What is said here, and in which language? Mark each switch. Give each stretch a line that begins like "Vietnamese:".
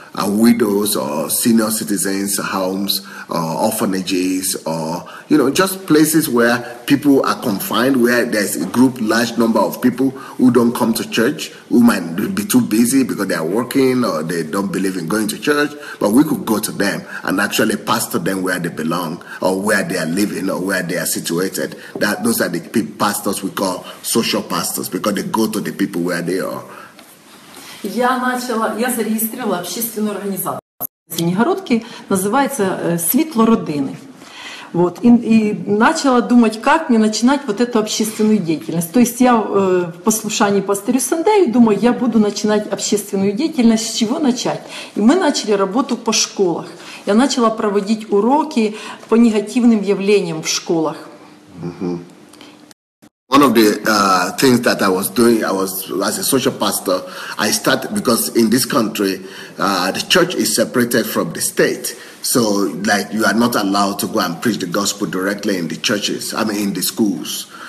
English: and widows or senior citizens' homes or orphanages or, you know, just places where people are confined, where there's a group, large number of people who don't come to church, who might be too busy because they are working or they don't believe in going to church, but we could go to them and actually pastor them where they belong or where they are living or where they are situated. That those are the pastors we call social pastors because they go to the people where they are.
Ukrainian: Я зареєструвала общественну організацію. Синьогородки називається «Світло родини».
Russian: Вот. И начала думать, как мне начинать вот эту общественную деятельность. То есть я в послушании пастырю Сандею думаю, я буду начинать общественную деятельность, с чего начать. И мы начали работу по школах. Я начала проводить уроки по негативным явлениям в школах.
English: One of the things that I was doing, I was as a social pastor, I started because in this country, the church is separated from the state. So, like, you are not allowed to go and preach the gospel directly in the churches, I mean, in the schools.